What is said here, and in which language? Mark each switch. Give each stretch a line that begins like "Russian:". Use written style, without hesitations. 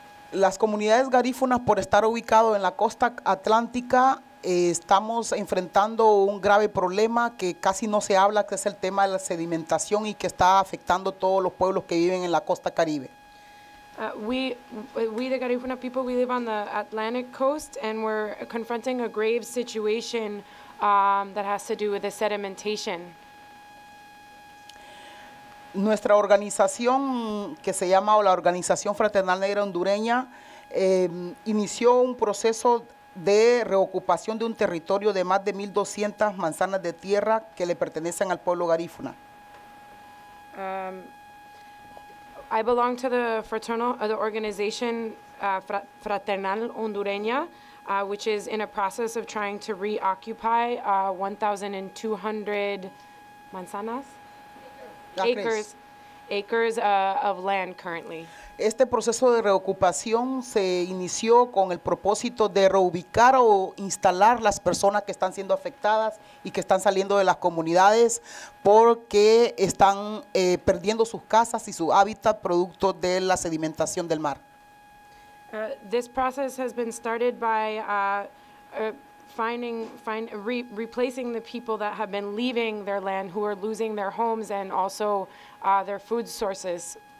Spanish: Las comunidades garífunas, por estar ubicado en la costa atlántica, estamos enfrentando un grave problema que casi no se habla, que es el tema de la sedimentación y que está afectando todos los pueblos que viven en la costa Caribe.
English: We the Garifuna people, we live on the Atlantic coast and we're confronting a grave situation that has to do with the sedimentation.
Spanish: Nuestra organización, que se llama la Organización Fraternal Negra Hondureña, inició un proceso de reocupación de un territorio de más de 1,200 manzanas de tierra que le pertenecen al pueblo garífuna.
English: I belong to the fraternal, the organization Fraternal Hondureña, which is in a process of trying to reoccupy 1,200 manzanas. Acres of land currently.
Spanish: Este proceso de reocupación se inició con el propósito de reubicar o instalar las personas que están siendo afectadas y que están saliendo de las comunidades porque están perdiendo sus casas y su hábitat producto de la sedimentación del mar.
English: This process has been started by replacing the people that have been leaving their land, who are losing their homes and also their food sources.